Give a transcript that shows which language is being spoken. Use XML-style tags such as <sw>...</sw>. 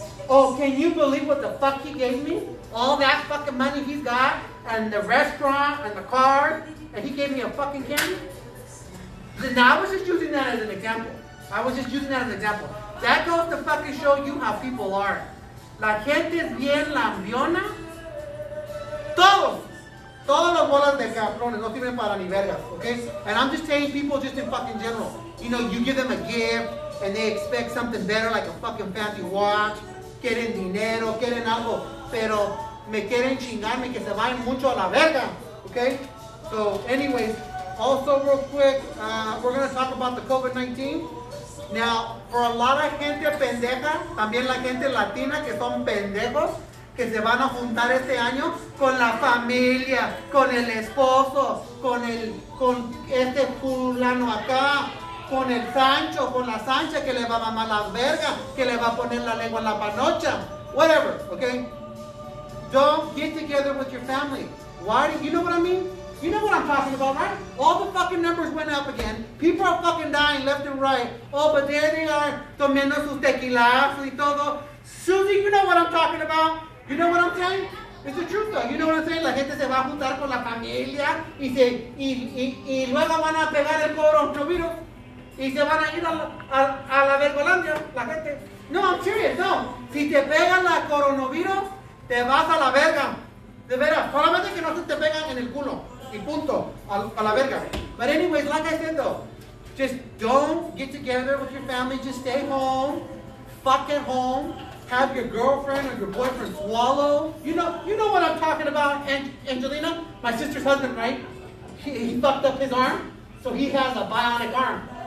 <en>Oh, can you believe what the fuck he gave me? All that fucking money he's got and the restaurant and the car and he gave me a fucking candy? Now I was just using that as an example. That goes to fucking show you how people are.</en> <es>La gente es bien lambiona. Todos los bolas de cabrones no sirven para ni vergas, okay?</es> <en>And I'm just telling people just in fucking general. You know, you give them a gift and they expect something better like a fucking fancy watch.</en> <es>Quieren dinero, quieren algo. Pero me quieren chingarme que se vayan mucho a la verga, okay?</es> <en>So anyways, also real quick, we're gonna talk about the COVID-19. Now, for a lot of</en> <es>gente pendeja, también la gente latina que son pendejos, que se van a juntar este año con la familia, con el esposo, con este fulano acá, con el Sancho, con la Sancha que le va a mamar la verga, que le va a poner la lengua en la panocha.</es> <en>Whatever, okay? Don't get together with your family. Why? You know what I mean? You know what I'm talking about, right? All the fucking numbers went up again. People are fucking dying left and right. Oh, but there they are,</en> <es>tomando sus tequilas y todo.</es> <en>Susie, you know what I'm talking about? You know what I'm saying?</en> <es>It's the truth, though. You know what I'm saying? La gente se va a juntar con la familia y se y luego van a pegar el coronavirus y se van a ir a la vergolandia, la gente.</es> <en>No, I'm serious, no.</en> <es>Si te pegan la coronavirus, te vas a la verga. De veras, solamente que no se te pegan en el culo. Y punto, a la verga.</es> <en>But anyways, like I said though, just don't get together with your family. Just stay home, fuck at home. Have your girlfriend or your boyfriend swallow. You know what I'm talking about, Angelina? My sister's husband, right? He fucked up his arm, so he has a bionic arm.</en>